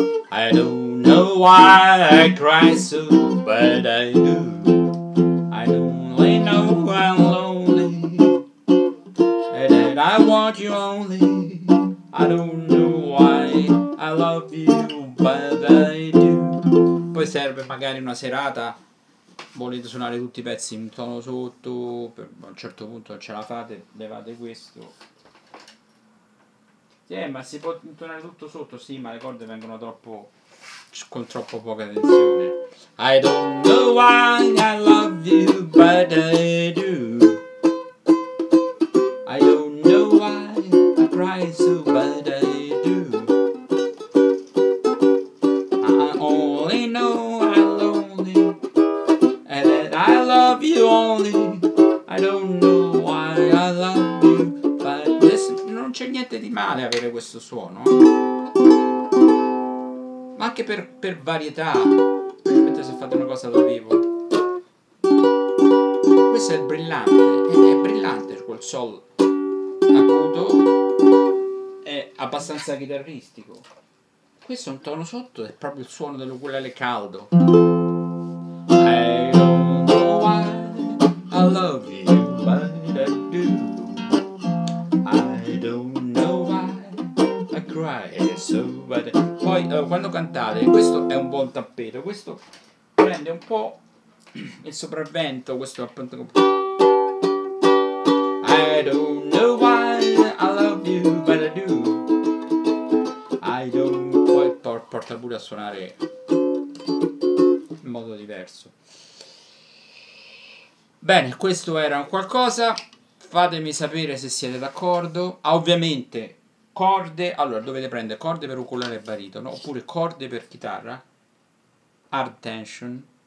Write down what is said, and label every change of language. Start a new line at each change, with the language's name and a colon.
English: I don't know why I cry so, but I do. I only know I'm lonely, and that I want you only. I don't know why I love you, but I do.
Italian: Poi serve magari una serata, volete suonare tutti i pezzi in tono sotto, per, a un certo punto ce la fate, levate questo. Sì, ma si può intonare tutto sotto, sì, ma le corde vengono troppo, con troppo poca tensione.
English: I don't know why I love you, but I do. try so, but I do. I only know I'm lonely, and that I love you only. I don't know why I love you, but listen,
Italian: non c'è niente di male avere questo suono. Ma anche per varietà, specialmente se fate una cosa dal vivo. Questo è brillante, è brillante quel sol acuto, è abbastanza chitarristico. Questo è un tono sotto, è proprio il suono dell'ukulele caldo.
English: I don't know why I love you, but I do. I don't know why I cry so bad.
Italian: Poi quando cantate, questo è un buon tappeto, questo prende un po' il sopravvento, questo appunto.
English: I don't know why I love you, but I do. I don't.
Italian: Poi porta pure a suonare in modo diverso. Bene, questo era un qualcosa. Fatemi sapere se siete d'accordo. Ovviamente, corde. Allora, dovete prendere corde per ukulele e baritono, oppure corde per chitarra, hard tension.